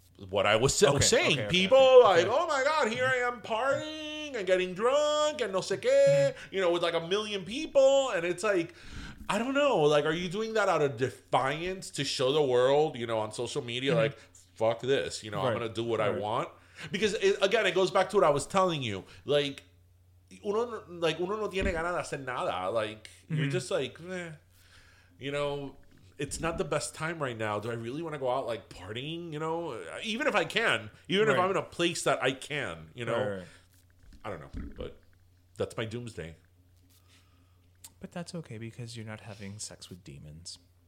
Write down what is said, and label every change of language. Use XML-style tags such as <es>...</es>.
<en>What I was saying, people, oh my God, here I am partying and getting drunk and</en> <es>no sé qué,</es> <en>you know, with like a million people. And it's like, I don't know, like, are you doing that out of defiance to show the world, you know, on social media, mm-hmm. like, fuck this, you know, right. I'm going to do what right. I want? Because it goes back to what I was telling you.</en> <es>Like, uno no tiene ganas de hacer nada.</es> <en>Like, mm-hmm. you're just like, meh. You know. It's not the best time right now. Do I really want to go out like partying, you know? Even if I can. Even right. if I'm in a place that I can, you know? Right. I don't know. But that's my doomsday. But that's okay because you're not having sex with demons.</en>